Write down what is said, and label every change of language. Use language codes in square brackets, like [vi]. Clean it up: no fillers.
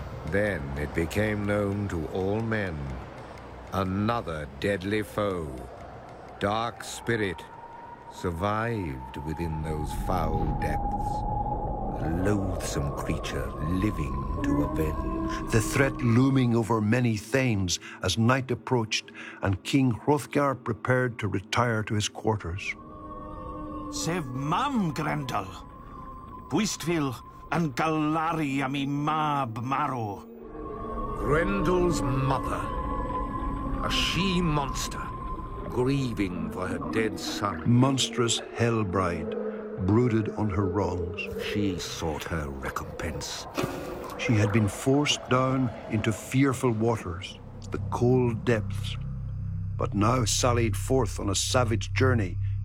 [en] Then it became known to all men, another deadly foe, dark spirit, survived within those foul depths, a loathsome creature living to avenge. The threat looming over many thanes as night approached and King Hrothgar prepared to retire to his quarters. [cy] Sef mam, Grendel. Bwystfil yn galaru am ei mab marw. [en] Grendel's mother, a she-monster, grieving for her dead son. Monstrous hell bride, brooded on her wrongs. She sought her recompense. She had been forced down into fearful waters, the cold depths, but now sallied forth on a savage journey.